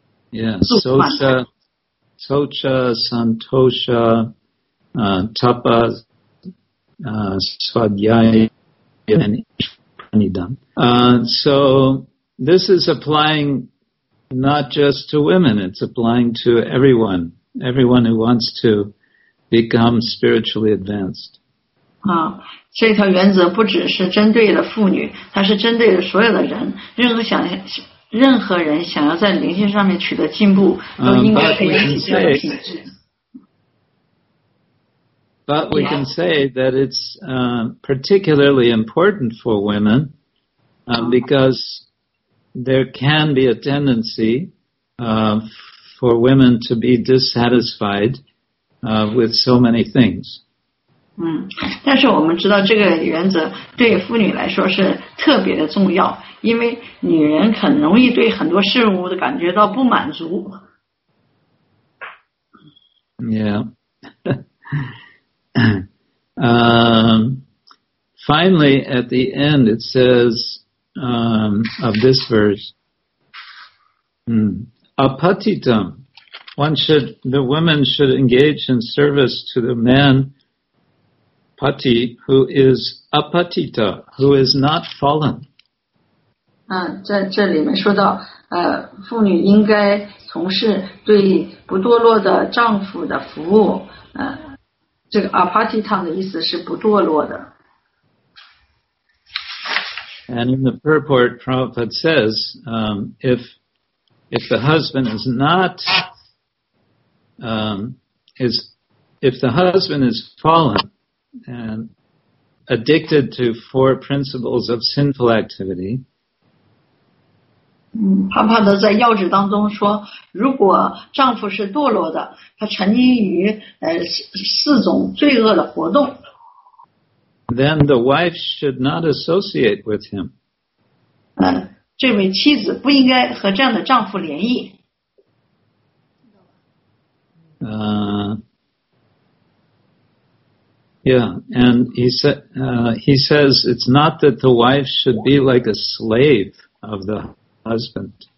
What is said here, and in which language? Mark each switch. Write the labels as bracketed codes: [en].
[en] Yes, socha, santosha, tapa, svadhyaya, and pranidham. So this is applying not just to women, it's applying to everyone who wants to become spiritually advanced. [zh] 这条原则不只是针对了妇女，它是针对了所有的人，任何人想要在灵性上面取得进步，都应该培养这样的品质。 [en] But we can say that it's particularly important for women, because there can be a tendency for women to be dissatisfied with so many things. [zh] 但是我们知道这个原则对妇女来说是特别的重要。因为女人很容易对很多事物的感觉到不满足。 [en] Yeah. finally, at the end, it says of this verse, apatitam. The woman should engage in service to the man, pati, who is apatita, who is not fallen. [zh] 在这里面说到妇女应该从事对不堕落的丈夫的服务，这个 apatitam 的意思是不堕落的。 [en] And in the purport, Prabhupada says, if the husband is not, if the husband is fallen and addicted to four principles of sinful activity, [zh] 帕帕德在要旨当中说，如果丈夫是堕落的，他沉溺于四种罪恶的活动。 [en] then the wife should not associate with him. [zh] 这位妻子不应该和这样的丈夫联谊。 [en] And he says it's not that the wife should be like a slave of the husband.